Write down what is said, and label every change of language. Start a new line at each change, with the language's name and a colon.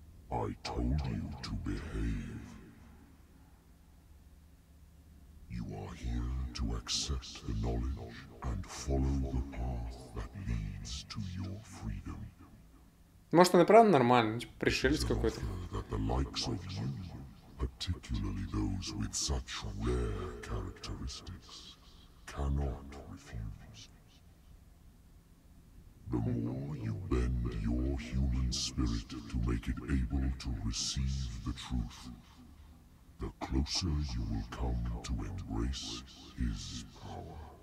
English: I told you to behave. You are here. To accept the knowledge and follow the path that leads to your freedom.
Russian: Может, она правда нормальная, типа пришелец какой-то.
English: That the likes of you, particularly those with such rare characteristics, cannot refuse. The more you bend your human spirit to make it able to receive the truth, the closer you will come to embrace his power.